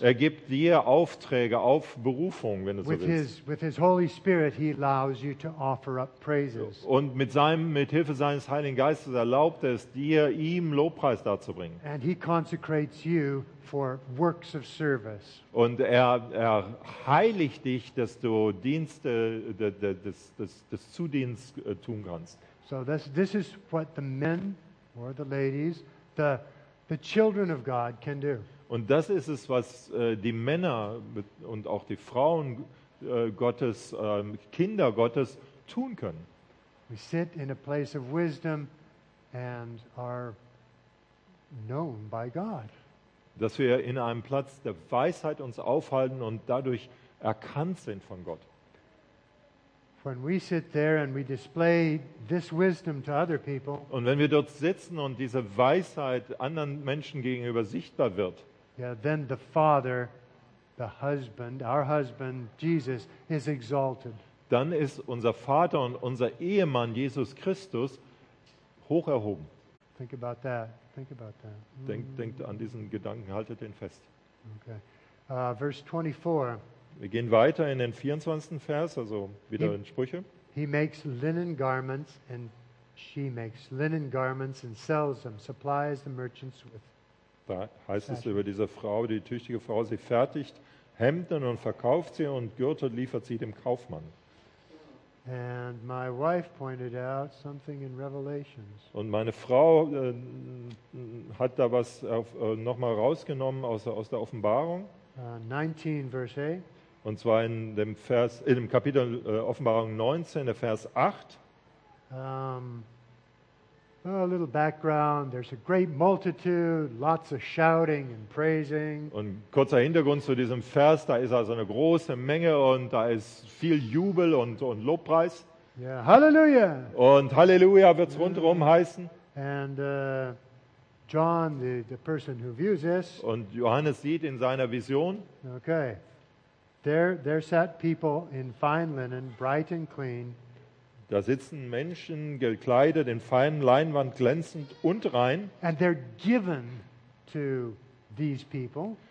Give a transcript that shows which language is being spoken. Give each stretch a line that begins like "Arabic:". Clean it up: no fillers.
German: Er gibt dir Aufträge auf Berufung, wenn du so willst.
English: With his Holy Spirit, he allows you to offer up praises.
German: Und mit Hilfe seines Heiligen Geistes erlaubt es dir, ihm Lobpreis darzubringen.
English: And he consecrates you for works of service.
German: Und er heiligt dich, dass du Dienste des Zudienst tun kannst.
English: So this is what the men or the ladies, the children of God can do.
German: Und das ist es, was die Männer und auch die Frauen Gottes, Kinder Gottes tun können.
English: We sit in a place of wisdom and are known by God.
German: Dass wir in einem Platz der Weisheit uns aufhalten und dadurch erkannt sind von Gott.
English: When we sit there and we display this wisdom to other people.
German: Und wenn wir dort sitzen und diese Weisheit anderen Menschen gegenüber sichtbar wird.
English: Yeah, then the Father, the husband, our husband Jesus is exalted.
German: Dann ist unser Vater und unser Ehemann Jesus Christus hoch erhoben.
English: Think about that. Think about that.
German: Denkt an diesen Gedanken, haltet den fest.
English: Okay. Verse 24.
German: Wir gehen weiter in den 24. Vers, also wieder in Sprüche.
English: He makes linen garments and she makes linen garments and sells them, supplies the merchants with.
German: Da heißt es über diese Frau, die tüchtige Frau, sie fertigt Hemden und verkauft sie und Gürtel liefert sie dem Kaufmann.
English: And my wife pointed out something in Revelations.
German: Und meine Frau hat da was noch mal rausgenommen aus der Offenbarung.
English: 19 verse 8.
German: Und zwar in dem Kapitel Offenbarung 19, der Vers 8.
English: A little background. There's a great multitude, lots of shouting and praising.
German: Und kurzer Hintergrund zu diesem Vers: Da ist also eine große Menge und da ist viel Jubel und Lobpreis.
English: Yeah, Hallelujah.
German: Und Halleluja wird's rundherum heißen.
English: And John, the person who views this.
German: Und Johannes sieht in seiner Vision.
English: Okay, there sat people in fine linen, bright and clean.
German: Da sitzen Menschen gekleidet in feinen Leinwand, glänzend und rein.
English: And they're given to these people.